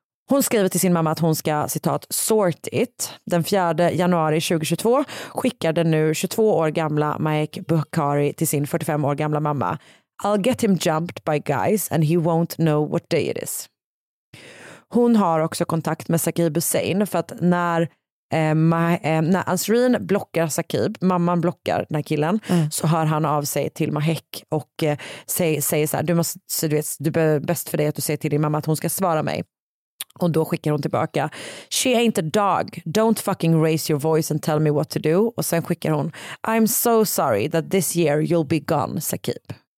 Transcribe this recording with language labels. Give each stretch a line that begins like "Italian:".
Swedish: Hon skriver till sin mamma att hon ska, citat, sort it. Den 4 januari 2022 skickar den nu 22 år gamla Mahek Bukhari till sin 45 år gamla mamma
English: I'll get him jumped by guys and he won't know what day it is.
Swedish: Hon har också kontakt med Saqib Hussein för att när när Azreen blockar Saqib, mamman blockar den här killen, så hör han av sig till Mahek och säger så här, du är bäst för dig att du säger till din mamma att hon ska svara mig. Och då skickar hon tillbaka,
English: she ain't a dog, don't fucking raise your voice and tell me what to do.
Swedish: Och sen skickar hon,
English: I'm so sorry that this year you'll be gone, Saqib.